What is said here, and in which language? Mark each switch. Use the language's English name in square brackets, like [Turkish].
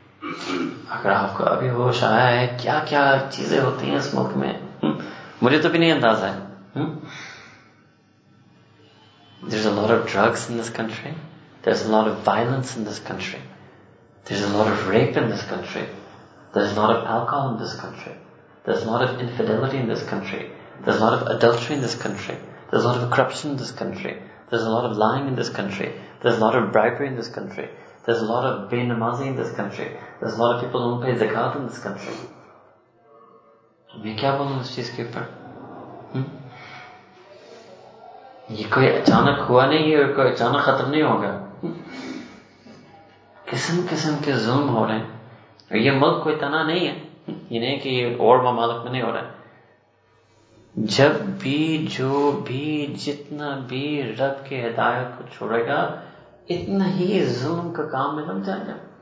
[Hindi] अगर आपको अभी होश आया है क्या क्या चीजें होती हैं इस मुल्क में, मुझे तो भी नहीं अंदाजा है. [English] There's a lot of drugs in this country. There's a lot of violence in this country. There's a lot of rape in this country. There's a lot of alcohol in this country. There's a lot of infidelity in this country. There's a lot of adultery in this country. There's a lot of corruption in this country. There's a lot of lying in this country. There's a lot of bribery in this country. There's a lot of be-namazi in this country. There's a lot of people who don't pay zakat in this country. What do you say to this thing? [Hindi] ये कोई अचानक हुआ नहीं है और कोई अचानक खत्म नहीं होगा. किस्म किस्म के जुल्म हो रहे हैं. ये मुल्क कोई तना नहीं है, ये नहीं कि ये और ममालिक में नहीं हो रहा है. जब भी जो भी जितना भी रब के हिदायत को छोड़ेगा इतना ही जुल्म का काम में लग जाएगा.